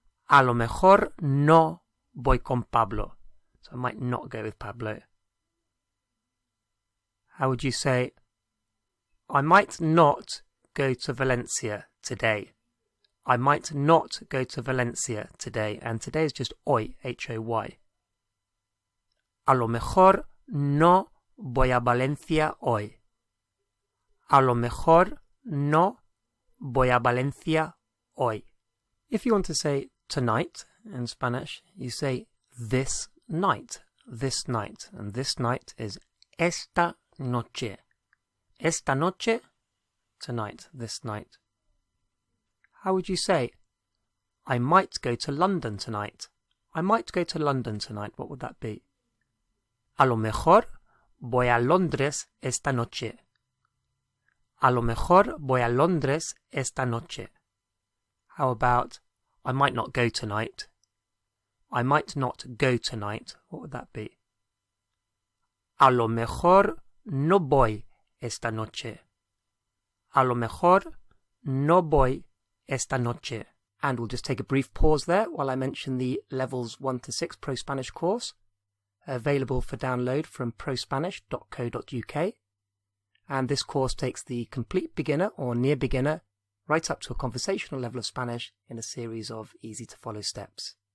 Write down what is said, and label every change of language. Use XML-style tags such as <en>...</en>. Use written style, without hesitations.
<es>A lo mejor no voy con Pablo.</es> <en>So I might not go with Pablo. How would you say, I might not go to Valencia today? I might not go to Valencia today. And today is just hoy, H-O-Y.</en> <es>A lo mejor no voy a Valencia hoy. A lo mejor no voy a Valencia hoy.</es> <en>If you want to say tonight in Spanish, you say this night, this night. And this night is esta noche. Esta noche, tonight, this night. How would you say, I might go to London tonight? I might go to London tonight. What would that be?</en> <es>A lo mejor voy a Londres esta noche. A lo mejor voy a Londres esta noche.</es> <en>How about, I might not go tonight? I might not go tonight. What would that be?</en> <es>A lo mejor no voy esta noche. A lo mejor No voy esta noche.</es> <en>And we'll just take a brief pause there while I mention the Levels 1 to 6 Pro Spanish course, available for download from prospanish.co.uk. And this course takes the complete beginner or near beginner right up to a conversational level of Spanish in a series of easy to follow steps.</en>